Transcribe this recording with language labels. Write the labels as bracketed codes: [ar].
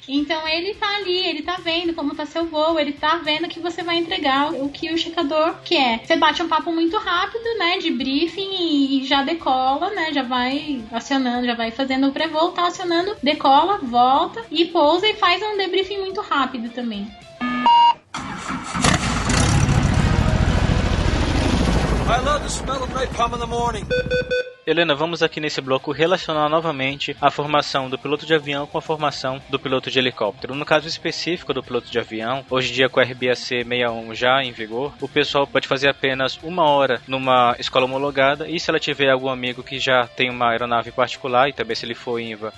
[pt] Então ele tá ali, ele tá vendo como tá seu voo, ele tá vendo que você vai entregar o que o checador quer. Você bate um papo muito rápido, né, de briefing e já decola, né, já vai acionando, já vai fazendo o pré-voo, tá acionando, decola, volta e pousa e faz um debriefing muito rápido também. [en] I love the smell of napalm in the morning. [pt] Helena, vamos aqui nesse bloco relacionar novamente a formação do piloto de avião com a formação do piloto de helicóptero. No caso específico do piloto de avião, hoje em dia com a RBAC 61 já em vigor, o pessoal pode fazer apenas uma hora numa escola homologada, e se ela tiver algum amigo que já tem uma aeronave particular, e também se ele for INVA